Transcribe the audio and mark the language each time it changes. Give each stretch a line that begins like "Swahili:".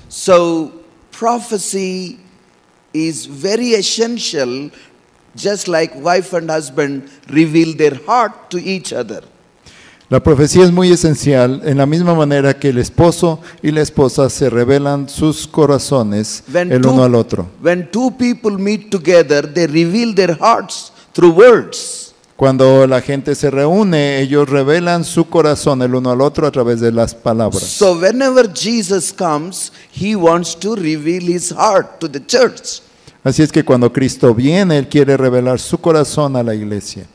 English: So prophecy is very essential, just like wife and husband reveal their heart to each other.
Spanish: La profecía es muy esencial en la misma manera que el esposo y la esposa se revelan sus corazones el uno al otro.
English: When two people meet together, they reveal their hearts through words.
Spanish: Cuando la gente se reúne, ellos revelan su corazón el uno al otro a través de las palabras.
English: So whenever Jesus comes, he wants to reveal his heart to the church.
Spanish: Así es que cuando Cristo viene, él quiere revelar su corazón a la iglesia.